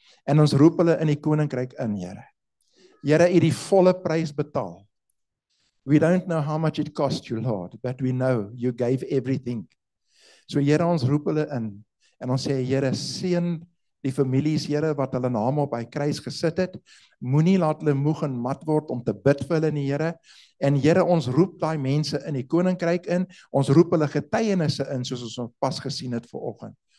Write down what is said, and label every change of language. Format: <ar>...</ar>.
<af>En ons roep hulle in die koninkryk in, Here. Here, U het die volle prys betaal.</af> <en>We don't know how much it cost you, Lord, but we know you gave everything.</en> <af>So Here, ons roep hulle in en ons sê Here, seën die families, Here, wat hulle name op hy kruis gesit het. Moenie laat hulle moeg en mat word om te bid vir hulle nie, Here. En Here, ons roep daai mense in die koninkryk in. Ons roep hulle getuienisse in, soos ons pas gesien het vanoggend.</af>